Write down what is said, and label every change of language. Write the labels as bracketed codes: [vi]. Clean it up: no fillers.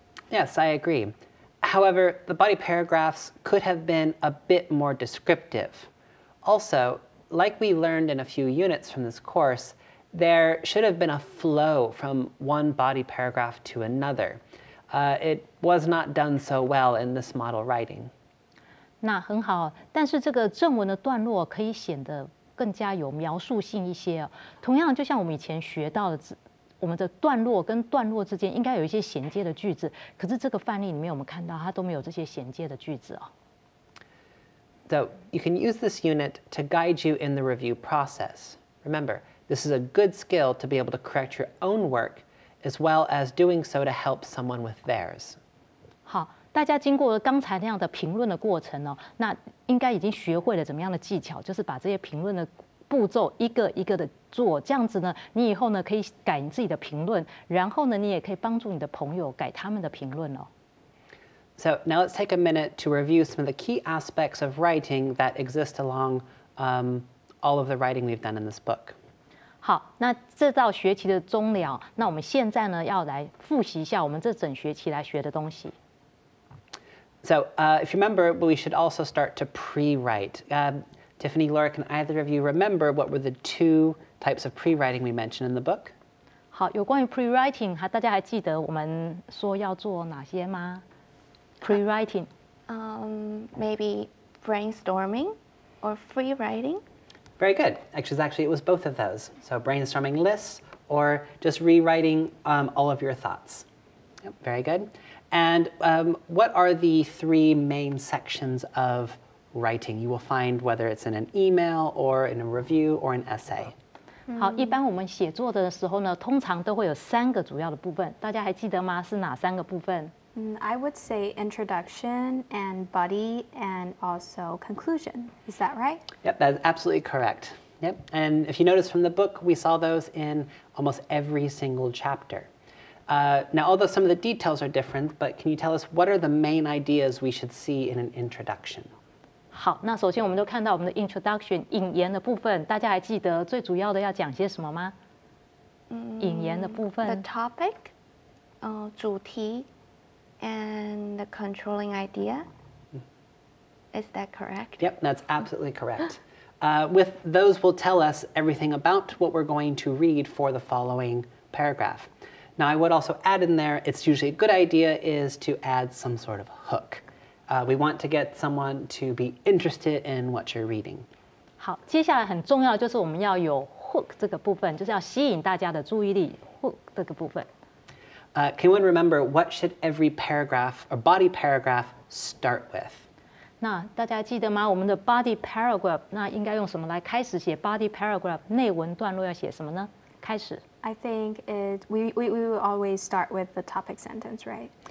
[en] Yes, I agree. However, the body paragraphs could have been a bit more descriptive. Also, like we learned in a few units from this course, there should have been a flow from one body paragraph to another. It was not done so well in this model writing. [zh] 那很好，但是这个正文的段落可以显得更加有描述性一些。同样，就像我们以前学到的我们的段落跟段落之间应该有一些衔接的句子，可是这个范例里面我们看到它都没有这些衔接的句子哦。 [en] So you can use this unit to guide you in the review process. Remember, this is a good skill to be able to correct your own work, as well as doing so to help someone with theirs. [zh] 好，大家经过刚才那样的评论的过程哦，那应该已经学会了怎么样的技巧，就是把这些评论的步骤一个一个的做，这样子呢，你以后呢可以改你自己的评论，然后呢，你也可以帮助你的朋友改他们的评论哦。 [en] So now let's take a minute to review some of the key aspects of writing that exist along all of the writing we've done in this book. [zh] 好，那这道学期的终了，那我们现在呢要来复习一下我们这整学期来学的东西。 [en] So if you remember, we should also start to pre-write. Tiffany, Laura, can either of you remember what were the two types of pre-writing we mentioned in the book? [zh] 好，有关于 pre-writing, 大家还记得我们说要做哪些吗？ Pre-writing. [en] Maybe brainstorming or free writing. Very good. Actually, it was both of those. So brainstorming lists or just rewriting all of your thoughts. Yep. Very good. And what are the three main sections of writing you will find, whether it's in an email or in a review or an essay? [zh] 好，一般我们写作的时候呢，通常都会有三个主要的部分。大家还记得吗？是哪三个部分？ [en] I would say introduction and body and also conclusion. Is that right? Yep, that's absolutely correct. Yep, and if you notice from the book, we saw those in almost every single chapter. Now, although some of the details are different, but can you tell us what are the main ideas we should see in an introduction? [zh] 好，那首先我们就看到我们的 introduction 引言的部分，大家还记得最主要的要讲些什么吗？引言的部分。 [en] The topic, 主题。And the controlling idea, is that correct? Yep, that's absolutely correct. With those will tell us everything about what we're going to read for the following paragraph. Now, I would also add in there, it's usually a good idea is to add some sort of hook. We want to get someone to be interested in what you're reading. [zh] 好，接下来很重要就是我们要有 hook 这个部分，就是要吸引大家的注意力 ,hook 这个部分。 [en] Can one remember what should every paragraph or body paragraph start with? [zh] 那大家记得吗？我们的 body paragraph 那应该用什么来开始写 body paragraph 内文段落要写什么呢？开始。 [en] I think we will always start with the topic sentence, right?